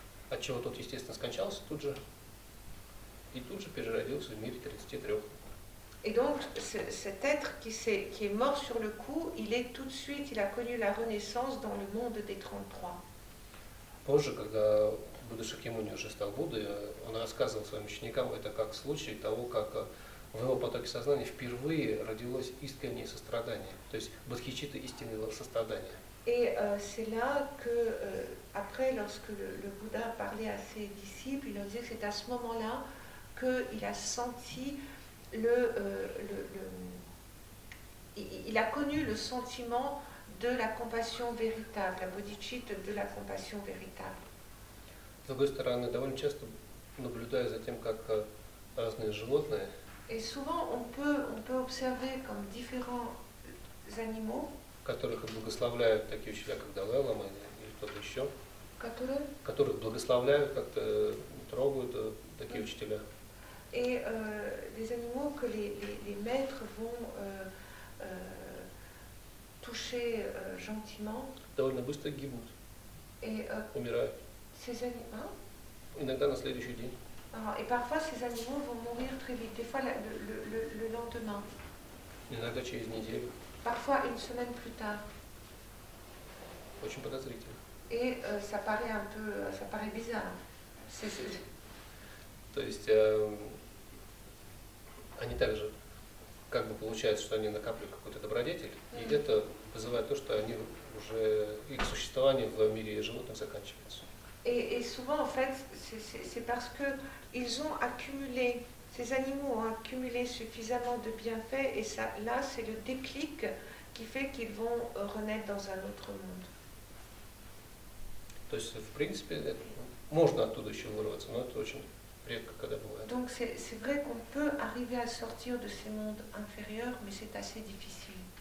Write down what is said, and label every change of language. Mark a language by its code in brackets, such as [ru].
[ru] Отчего тот, естественно, скончался тут же, и тут же переродился в мире 33. [fr] Et donc, cet être qui est mort sur le coup, il est tout de suite, il a connu la renaissance dans le monde des 33. [ru] Позже, когда Будда Шакьямуни уже стал Буддой, он рассказывал своим ученикам это как случай того, как в его потоке сознания впервые родилось искреннее сострадание, то есть бодхичитта истинного сострадания. [fr] Et c'est là que, après, lorsque le Bouddha parlait à ses disciples, il leur disait que c'est à ce moment-là qu'il a senti il a connu le sentiment de la compassion véritable, la bodhicitta de la compassion véritable. [ru] С другой стороны, довольно часто наблюдая за тем, как разные животные. [fr] Et souvent, on peut observer comme différents animaux. [ru] Которых благословляют такие учителя, как Далай Лама или кто-то еще. Которые? Которых благословляют, как-то трогают такие учителя. [fr] Et les animaux que les maîtres vont toucher gentiment. [ru] Довольно быстро гибнут. [fr] Et [ru] умирают. [fr] Ces animaux. [ru] Иногда на следующий день. [fr] Et parfois ces animaux vont mourir très vite. Des fois le lendemain. [ru] Иногда через неделю. [fr] Parfois une semaine plus tard. [ru] Очень подозрительно. [fr] Et ça paraît un peu, ça paraît bizarre. [ru] То есть они также как бы получается, что они накапливают какой-то добродетель, mm-hmm. и это вызывает то, что они уже их существование в мире животных заканчивается. [fr] Et souvent en fait c'est parce que ils ont accumulé, ces animaux ont accumulé suffisamment de bienfaits, et ça là c'est le déclic qui fait qu'ils vont renaître dans un autre monde. [ru] То есть в принципе можно оттуда еще вырваться, но это очень. [fr] Donc c'est vrai qu'on peut arriver à sortir de ces mondes inférieurs, mais c'est assez difficile.